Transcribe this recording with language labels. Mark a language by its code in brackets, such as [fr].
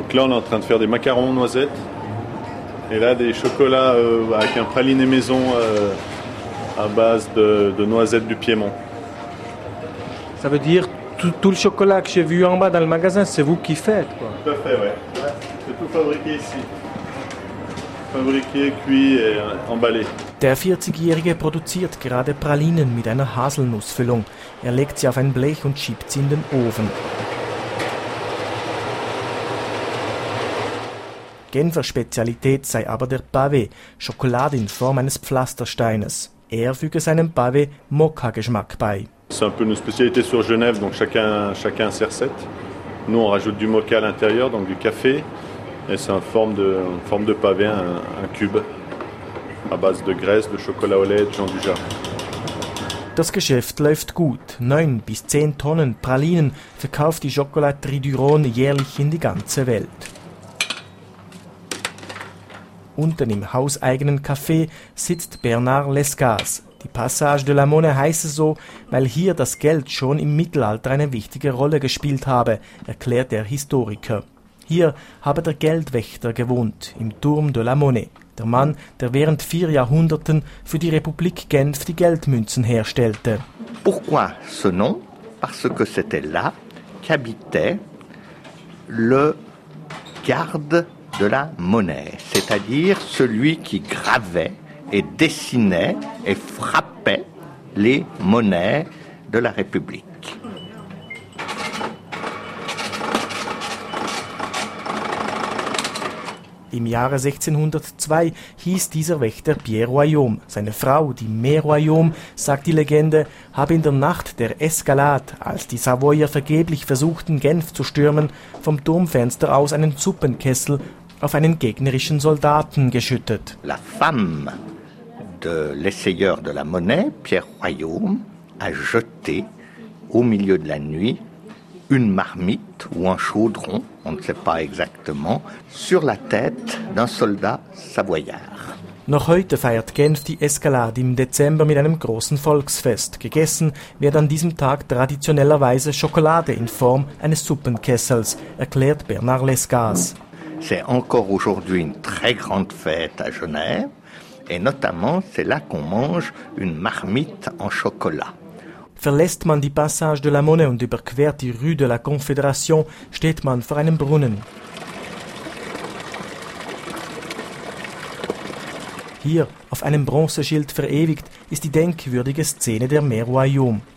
[fr] Donc là, on est en train de faire des macarons noisettes. Et là, des chocolats avec un praliné maison à base de noisettes du Piémont. Ça veut dire tout le chocolat que j'ai vu en bas dans le magasin, c'est vous qui faites, quoi? Tout à fait, oui. C'est tout fabriqué ici. Fabriqué, cuit et emballé. [de] Der 40-Jährige produziert gerade Pralinen mit einer Haselnussfüllung. Er legt sie auf ein Blech und schiebt sie in den Ofen. Genfer Spezialität sei aber der Pavé, Schokolade in Form eines Pflastersteines. Er füge seinem Pavé Mokka-Geschmack bei. [fr] C'est un peu une spécialité sur Genève, donc chacun ses recettes. Nous, on rajoute du Mokka à l'intérieur, donc du café. Et c'est une forme de Pavé, un cube. À base de graisse, de chocolat au lait, de Jean Dujard. [de] Das Geschäft läuft gut. 9 bis 10 Tonnen Pralinen verkauft die Chocolaterie du Rhône jährlich in die ganze Welt. Unten im hauseigenen Café sitzt Bernard Lescas. Die Passage de la Monnaie heisse so, weil hier das Geld schon im Mittelalter eine wichtige Rolle gespielt habe, erklärt der Historiker. Hier habe der Geldwächter gewohnt, im Turm de la Monnaie. Der Mann, der während 4 Jahrhunderten für die Republik Genf die Geldmünzen herstellte. [fr] Pourquoi ce nom? Parce que c'était là qu'habitait le garde de la monnaie, c'est-à-dire celui qui gravait et dessinait et frappait les monnaies de la République. [de] Im Jahre 1602 hieß dieser Wächter Pierre Royaume. Seine Frau, die Mère Royaume, sagt die Legende, habe in der Nacht der Escalade, als die Savoyer vergeblich versuchten, Genf zu stürmen, vom Turmfenster aus einen Suppenkessel auf einen gegnerischen Soldaten geschüttet. [fr] La femme de l'essayeur de la Monnaie, Pierre Royaume, a jeté au milieu de la nuit une marmite ou un chaudron, on ne sait pas exactement, sur la tête d'un soldat savoyard. [de] Noch heute feiert Genf die Escalade im Dezember mit einem großen Volksfest. Gegessen wird an diesem Tag traditionellerweise Schokolade in Form eines Suppenkessels, erklärt Bernard Lescas. [fr] C'est encore aujourd'hui une très grande fête à Genève et notamment c'est là qu'on mange une marmite en chocolat. [de] Verlässt man die Passage de la Monnaie und überquert die Rue de la Confédération, steht man vor einem Brunnen. Hier, auf einem Bronzeschild verewigt, ist die denkwürdige Szene der Mère Royaume.